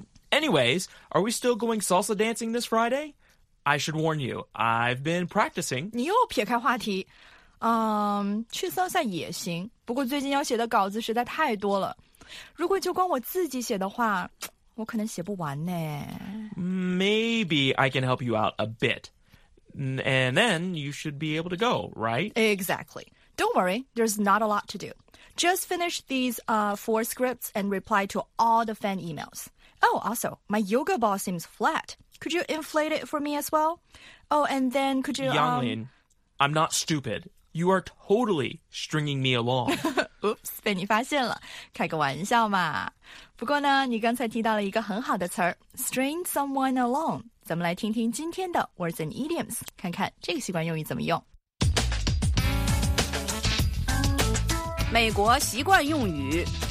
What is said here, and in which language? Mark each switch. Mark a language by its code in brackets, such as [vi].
[en] Anyways, are we still going salsa dancing this Friday? I should warn you, I've been practicing. [zh] 你又撇开话题。去桑萨也行，不过最近要写的稿子实在太多了，如果就光我自己写的话，我可能写不完呢。 [en] Maybe I can help you out a bit, and then you should be able to go, right? Exactly. Don't worry, there's not a lot to do. Just finish these four scripts and reply to all the fan emails. Oh, also, my yoga ball seems flat. Could you inflate it for me as well? Oh, and then could you... Yanglin, I'm not stupid. You are totally stringing me along. Oops, [zh] 被你发现了，开个玩笑嘛。不过呢，你刚才提到了一个很好的词儿 ,string someone along. 咱们来听听今天的 [en] words and idioms, [zh] 看看这个习惯用语怎么用。美国习惯用语